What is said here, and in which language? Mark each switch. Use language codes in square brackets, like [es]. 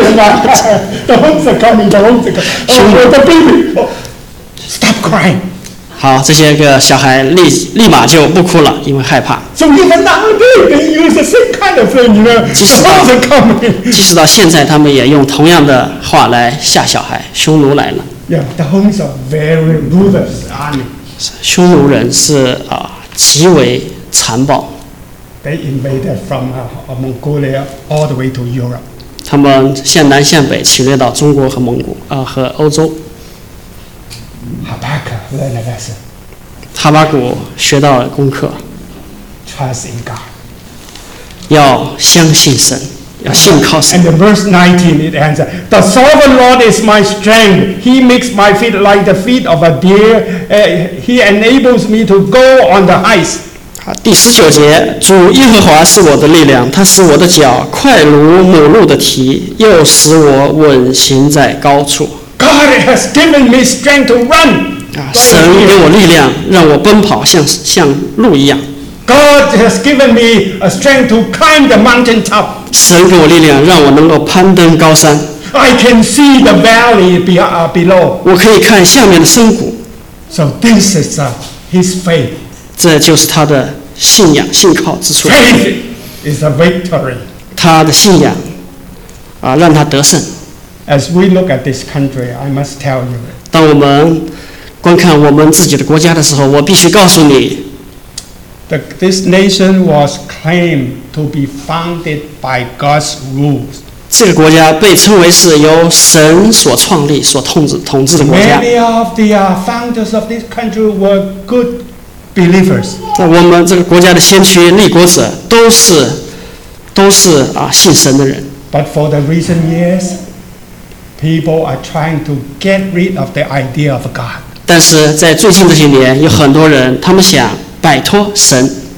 [zh] 人啊， [en] The Huns are coming, the Huns are coming. Oh, the baby, stop crying. [zh] 好，这些个小孩立马就不哭了，因为害怕。 [en] So even now, they use the same kind of thing, you know, the Huns are coming. [zh] 即使到现在，他们也用同样的话来吓小孩，匈奴来了。 [en] Yeah, the Huns are very ruthless army. [zh] 匈奴人是极为残暴。 [en] They invaded from Mongolia all the way to Europe. [zh] 他们向南向北侵略到中国和蒙古和欧洲。 [en] Habakkuk learned a lesson. [zh] 哈巴谷学到了功课。 [en] Trust in God. [zh] 要相信神，要信靠神。 [en] And the verse 19 it ends, "The sovereign Lord is my strength. He makes my feet like the feet of a deer. He enables me to go on the heights." [zh] 第十九节，主耶和华是我的力量，他使我的脚快如母鹿的蹄，又使我稳行在高处。 [en] God has given me strength to run. [zh] 神给我力量，让我奔跑像鹿一样。 [en] God has given me a strength to climb the mountain top. [zh] 神给我力量，让我能够攀登高山。 [en] I can see the valley below. [zh] 我可以看下面的深谷。 [en] So this is his faith. [zh] 这就是他的信仰、信靠之处。 [en] Faith is a victory. [zh] 他的信仰让他得胜。 [en] As we look at this country, I must tell you. [zh] 当我们观看我们自己的国家的时候，我必须告诉你。 [en] This nation was claimed to be founded by God's rules. [zh] 这个国家被称为是由神所创立、所统治的国家。 [en] Many of the founders of this country were good believers. [zh] 我们这个国家的先驱、立国者都是信神的人。 [en] But for the recent years, people are trying to get rid of the idea of God. [zh] 但是在最近这些年，有很多人他们想摆脱神。